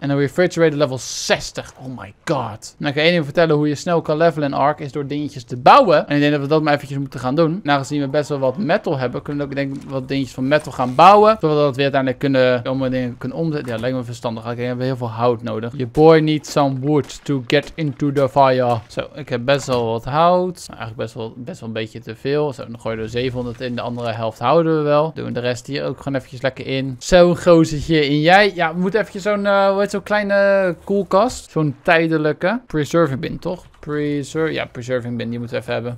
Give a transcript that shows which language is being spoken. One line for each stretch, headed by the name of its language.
Dutch: En een refrigerator level 60.
English: Oh my god.
Dutch: Nou, ik kan één ding vertellen, hoe je snel kan levelen in Ark is door dingetjes te bouwen. En ik denk dat we dat maar eventjes moeten gaan doen. En aangezien we best wel wat metal hebben, kunnen we ook, denk ik, wat dingetjes van metal gaan bouwen. Zodat we dat weer uiteindelijk kunnen, om dingen kunnen omzetten. Ja, lijkt me verstandig. Oké, we hebben heel veel hout nodig.
English: Your boy needs some wood to get into the fire.
Dutch: Zo, ik heb best wel wat hout. Eigenlijk best wel een beetje te veel. Zo, dan gooien we er 700 in. De andere helft houden we wel. Doen we de rest hier ook gewoon eventjes lekker in. Zo'n gozertje in jij. Ja, we moeten even zo'n, zo'n kleine koelkast. Zo'n tijdelijke. Preserving bin, toch? Ja, preserving bin, die moeten we even hebben.